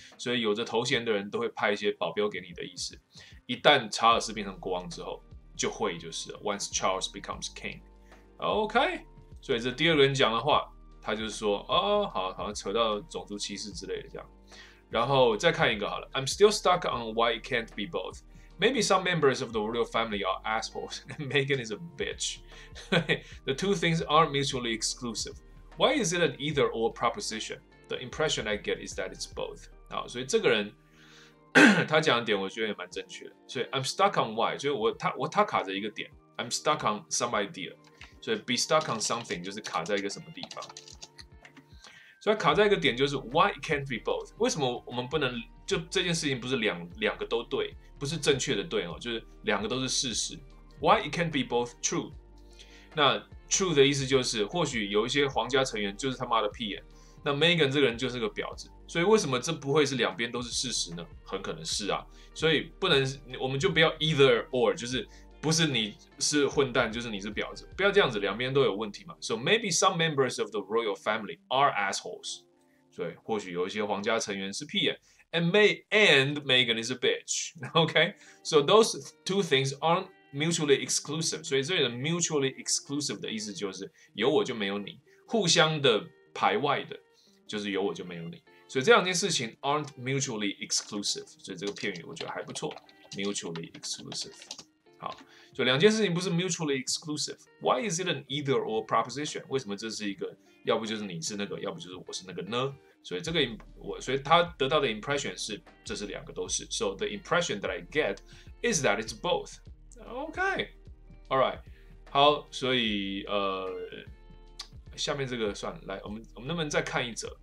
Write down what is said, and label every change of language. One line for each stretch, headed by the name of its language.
Chinese: 所以有着头衔的人都会派一些保镖给你的意思。一旦查尔斯变成国王之后，就会就是
English: once Charles becomes king，
Chinese: OK？、Okay? 所以这第二轮讲的话，他就是说哦，好像扯到种族歧视之类的这样。然后再看一个好了
English: ，I'm still stuck on why it can't be both。 Maybe some members of the royal family are assholes, and Meghan is a bitch. The two things aren't mutually exclusive. Why is it an either-or proposition? The impression I get is that it's both.
Chinese: 好，所以这个人他讲的点，我觉得也蛮正确的。
English: 所以 I'm stuck on why，
Chinese: 就是我卡着一个点。
English: I'm stuck on some idea， 所以 be stuck on something
Chinese: 就是卡在一个什么地方。所以卡在一个点就是
English: why can't be both？
Chinese: 为什么我们不能就这件事情不是两个都对？不是正确的对哦，就是两个都是事实。
English: Why it can't be both true？
Chinese: 那 true 的意思就是，或许有一些皇家成员就是他妈的屁眼，那 Meghan 这个人就是个婊子。所以为什么这不会是两边都是事实呢？很可能是啊。所以不能，我们就不要 either or， 就是不是你是混蛋，就是你是婊子，不要这样子，两边都有问题嘛。
English: So maybe some members of the royal family are assholes。
Chinese: 所以或许有一些皇家成员是屁眼。
English: And Meghan is a bitch. Okay, so those two things aren't mutually exclusive.
Chinese: 所以这里的 mutually exclusive 的意思就是有我就没有你，互相的排外的，就是有我就没有你。所以这两件事情
English: aren't mutually exclusive.
Chinese: 所以这个片语我觉得还不错 ，mutually exclusive. 好，所以两件事情不是
English: mutually exclusive. Why is it an either or proposition?
Chinese: 为什么这是一个要不就是你是那个，要不就是我是那个呢？所以这个所以他得到的 impression 是，这是两个都是。
English: So the impression that I get is that it's both. Okay, all right.
Chinese: 好，所以下面这个算了，来，我们能不能再看一则？